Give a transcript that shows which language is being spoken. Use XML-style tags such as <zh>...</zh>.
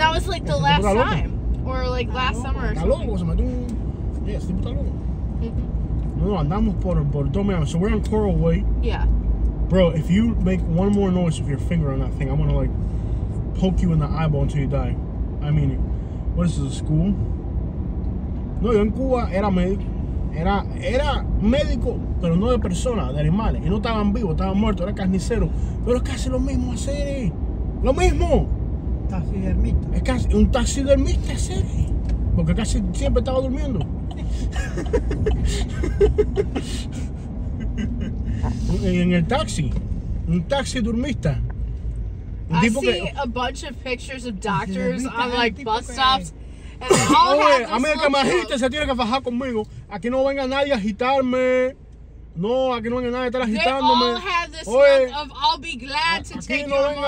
<en>that was like the last time. Or like last summer or something. Yes,</en> <es>tipo está loco. No, andamos por Miami.</es> <en>So we're on Coral Way. Yeah. Bro, if you make one more noise with your finger on that thing, I'm going to like poke you in the eyeball until you die. I mean, what is this, a school?</en> <es>No, yo en Cuba era médico. Era médico, pero no de personas, de animales. Y no estaban vivos, estaban muertos, era carnicero. Pero es casi lo mismo hacer. ¡Lo mismo! Taxidermista. Es casi un taxidermista hacer. Porque casi siempre estaba durmiendo. En el taxi. Un taxidermista.</es> <en>A bunch of pictures of doctors on like bus stops. Oye,</en> <es>amiga, majita, se tiene que fajar conmigo. Aquí no venga nadie a agitarme. No, aquí no venga nadie a estar agitándome.</es> <en>They all have this look of I'll be glad to take your money.</en>